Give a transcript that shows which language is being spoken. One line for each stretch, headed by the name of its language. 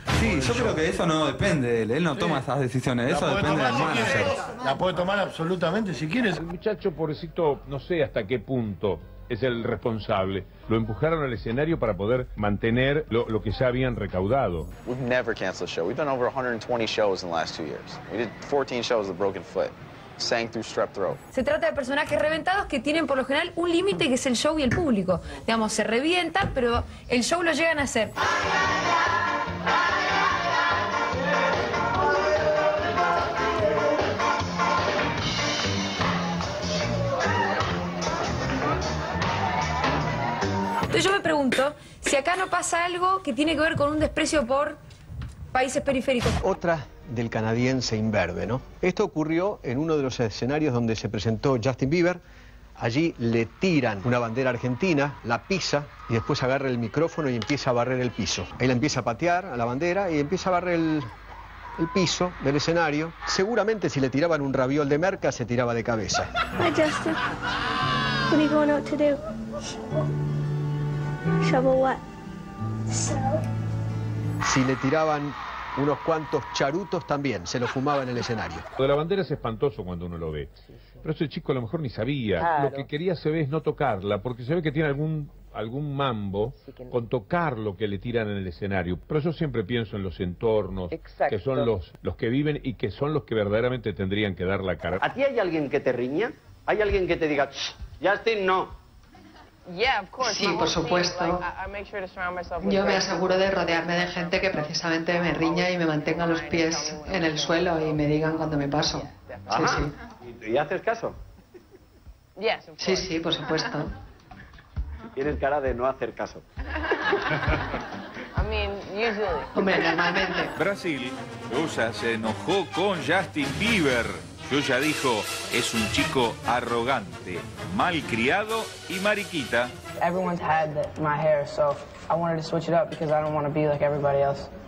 Spanish: Sí, yo creo que eso no depende de él. Él no toma esas decisiones. Eso depende del manager. La puede tomar absolutamente si quieres. El muchacho, pobrecito, no sé hasta qué punto es el responsable. Lo empujaron al escenario para poder mantener lo que ya habían recaudado.
English: We've never canceled a show. We've done over 120 shows in the last 2 years. We did 14 shows with broken foot. Sang through strep throat.
Spanish: Se trata de personajes reventados que tienen por lo general un límite que es el show y el público. Digamos, se revientan, pero el show lo llegan a hacer. Entonces yo me pregunto si acá no pasa algo que tiene que ver con un desprecio por países periféricos. Otra del canadiense imberbe, ¿no? Esto ocurrió en uno de los escenarios donde se presentó Justin Bieber. Allí le tiran una bandera argentina, la pisa y después agarra el micrófono y empieza a barrer el piso. Ahí la empieza a patear a la bandera y empieza a barrer el piso del escenario. Seguramente si le tiraban un raviol de merca se tiraba de cabeza.
English: Hi Justin, what are you going out to do? Shovel what?
Spanish: Si le tiraban unos cuantos charutos también, se lo fumaba en el escenario. Lo de la bandera es espantoso cuando uno lo ve. Pero ese chico a lo mejor ni sabía. Claro. Lo que quería se ve es no tocarla, porque se ve que tiene algún mambo con tocar lo que le tiran en el escenario. Pero yo siempre pienso en los entornos. Exacto. Que son los que viven y que son los que verdaderamente tendrían que dar la cara. ¿A ti hay alguien que te riña? ¿Hay alguien que te diga, shh, Justin, no? Sí, por supuesto. Yo me aseguro de rodearme de gente que precisamente me riña y me mantenga los pies en el suelo y me digan cuando me paso. Sí, sí. ¿Y haces caso? Sí, sí, por supuesto. Tienes cara de no hacer caso. Hombre, normalmente. Brasil, Rosa se enojó con Justin Bieber. Yuya dijo, es un chico arrogante, malcriado y mariquita.
English: Everyone's had my hair, so I wanted to switch it up because I don't want to be like everybody else.